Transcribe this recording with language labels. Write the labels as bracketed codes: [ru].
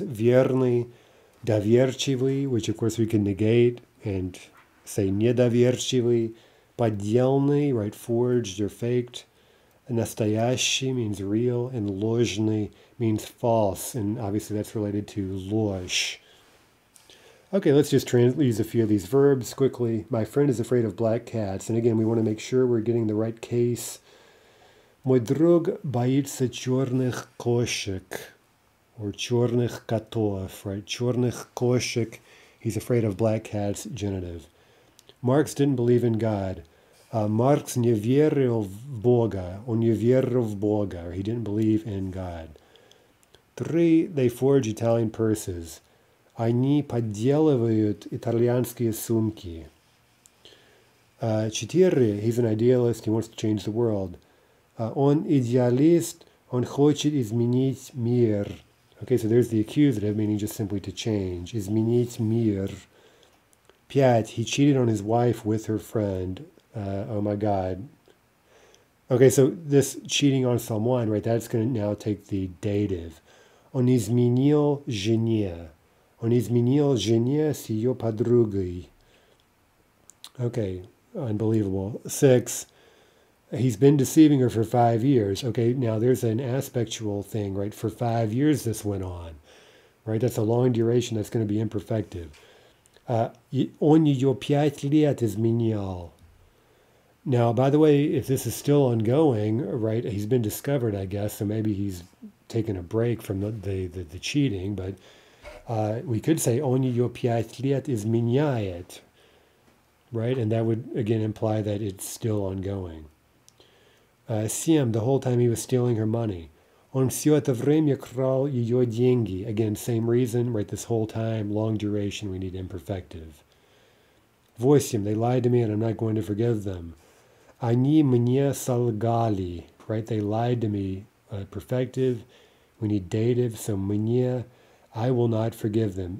[en] Верный, доверчивый, which of course we can negate and say недоверчивый, подделный, right, forged or faked, настоящий means real, and ложный means false, and obviously that's related to ложь. Okay, let's just use a few of these verbs quickly. My friend is afraid of black cats, and again, we want to make sure we're getting the right case. [ru] Мой друг боится черных кошек. Or чёрных котов, right? Чёрных кошек. [en] He's afraid of black cats, genitive. Marx didn't believe in God. [ru] Marx не верил в Бога. Он не верил в Бога. [en] Or he didn't believe in God. Three, they forge Italian purses. [ru] Они подделывают итальянские сумки. [en] Четыре, he's an idealist. He wants to change the world. [ru] Он идеалист. Он хочет изменить мир. [en] Okay, so there's the accusative, meaning just simply to change. [ru] Изменить мир. [en] Пять, he cheated on his wife with her friend. Oh my God. Okay, so this cheating on someone, right, that's going to now take the dative. [ru] Он изменил жене. Он изменил жене с ее подругой. [en] Okay, unbelievable. Six, he's been deceiving her for 5 years. Okay, now there's an aspectual thing, right? For 5 years this went on, right? That's a long duration. That's going to be imperfective. [ru] Он ее 5 лет изменял. [en] Now, by the way, if this is still ongoing, right, he's been discovered, I guess, so maybe he's taken a break from the cheating, but we could say [ru] он ее 5 лет изменяет, [en] right? And that would, again, imply that it's still ongoing. Сем, the whole time he was stealing her money. [ru] Он все это время крал ее деньги. [en] Again, same reason, right? This whole time, long duration, we need imperfective. Восемь, they lied to me and I'm not going to forgive them. [ru] Они мне солгали, [en] right? They lied to me. Perfective, we need dative. So мне, I will not forgive them.